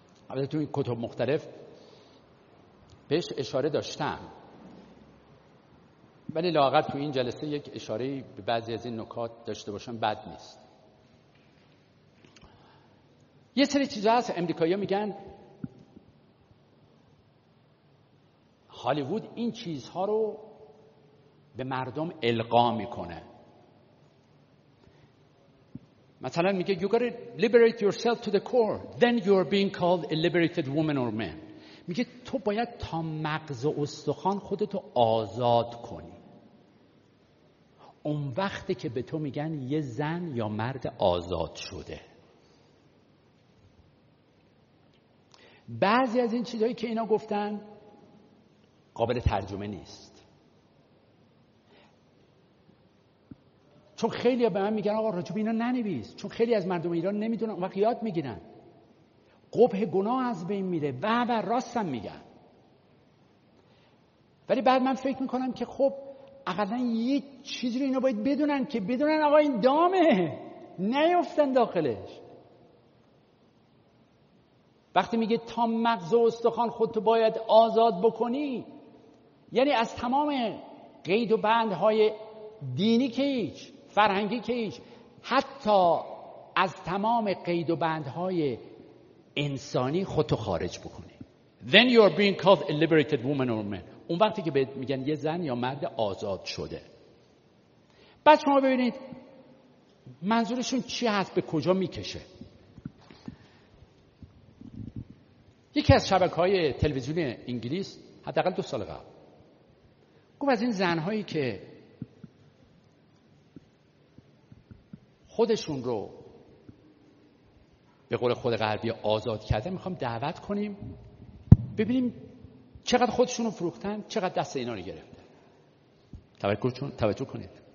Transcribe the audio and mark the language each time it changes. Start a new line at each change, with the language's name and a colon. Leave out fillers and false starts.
Persian: البته تو این کتب مختلف بهش اشاره داشتم، ولی لااقل تو این جلسه یک اشاره به بعضی از این نکات داشته باشم بد نیست. یه سری چیزا هست امریکایی‌ها میگن هالیوود این چیزها رو به مردم القا میکنه. مثلا میگه
English: you got to liberate yourself to the core then you are being called a liberated woman or man.
Persian: میگه تو باید تا مغز و استخوان خودتو آزاد کنی، اون وقته که به تو میگن یه زن یا مرد آزاد شده. بعضی از این چیزهایی که اینا گفتن قابل ترجمه نیست، چون خیلی ها به من میگن آقا راجب اینا ننویس، چون خیلی از مردم ایران نمیدونن وقتی یاد میگیرن قبح گناه از بین میره و بر راستم میگن. ولی بعد من فکر میکنم که خب اقلا یه چیزی رو اینا باید بدونن که بدونن آقا این دامه نیفتن داخلش. وقتی میگه تا مغز و استخوان خودتو باید آزاد بکنی، یعنی از تمام قید و بندهای دینی که هیچ، فرهنگی که هیچ، حتی از تمام قید و بندهای انسانی خودتو خارج بکنی.
English: Then you are being called a liberated woman or man.
Persian: اون وقتی که بهت میگن یه زن یا مرد آزاد شده. بعد شما ببینید منظورشون چی هست، به کجا میکشه. یکی از شبکه‌های تلویزیون انگلیس حداقل 2 سال قبل گفت از این زن‌هایی که خودشون رو به قول خود غربی آزاد کرده می‌خوام دعوت کنیم ببینیم چقدر خودشون رو فروختن، چقدر دست اینا رو گرفته. توجه کنید